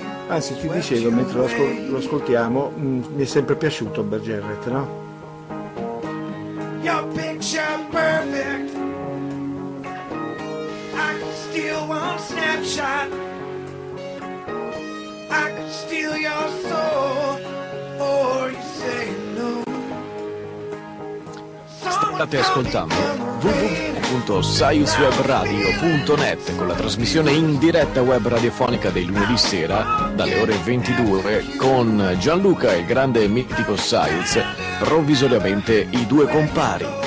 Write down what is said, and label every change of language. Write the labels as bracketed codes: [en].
[it] anzi, ti dicevo, mentre lo ascoltiamo, mi è sempre piaciuto Bergeret, no? [en] Your picture perfect, I could steal one snapshot, I could steal your soul, or you say no. [it] State ascoltando www.saiuswebradio.net con la trasmissione in diretta web radiofonica dei lunedì sera dalle ore 22 con Gianluca e il grande mitico Saiz, provvisoriamente i due compari.